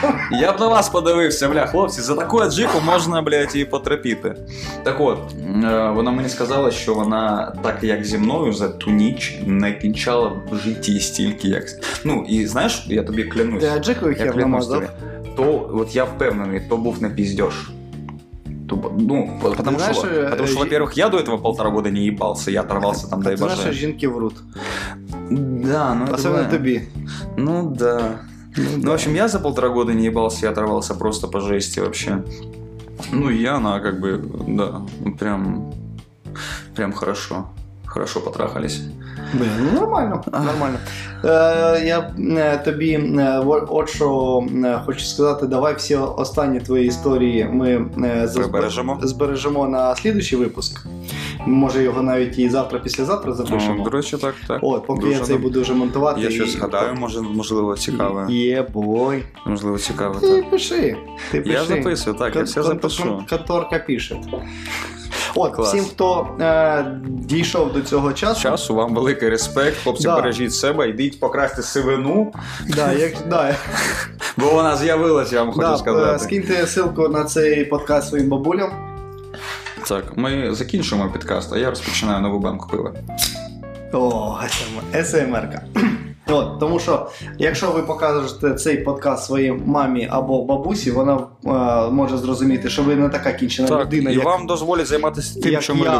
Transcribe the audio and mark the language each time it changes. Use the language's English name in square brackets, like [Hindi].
[Ukrainian] Я б на вас подивився, бля, хлопці, за таку аджику можна, блядь, і потрапити. Так от, вона мені сказала, що вона так, як зі мною, за ту ніч не кінчала в житті стільки, як... Ну, і знаєш, я тобі клянусь. Для аджику я клянусь тобі. То, от я впевнений, то був не піздєш. [Russian] Ну, потому, знаешь, что, потому что, во-первых, я до этого полтора года не ебался, я оторвался там, дай боже. Ты знаешь, что [Ukrainian] жінки врут? [Russian] Да, ну... Особенно это... тобі. Ну да. Ну, в общем, я за полтора года не ебался, я оторвался просто по жести вообще. Ну, я, она как бы, да, прям... Прям хорошо. Хорошо потрахались. Блин, ну нормально, нормально. [Ukrainian] Я тобі от що хочу сказати, давай всі останні твої історії ми збережемо на слідуючий випуск. Може його навіть і завтра-післязавтра запишемо. Ну, до речі, так, так. От, поки дуже я цей буду вже монтувати. Я щось згадаю, можливо, цікаве. Єбой. Можливо, цікаве, так. Ти пиши. Я записую, так, я все запишу. Каторка пише. От, клас. Всім, хто дійшов до цього часу. Часу, вам великий респект, хлопці, да. Бережіть себе, йдіть покрасти сивину. Да, як, да. Бо вона з'явилась, я вам хочу сказати. Скиньте ссылку на цей подкаст своїм бабулям. Так, ми закінчуємо підкаст, а я розпочинаю нову банку пива. О, СМР-ка. От, тому що, якщо ви покажете цей подкаст своїй мамі або бабусі, вона може зрозуміти, що ви не така кінчена так, людина, і як, вам дозволять займатися тим, що ви любите.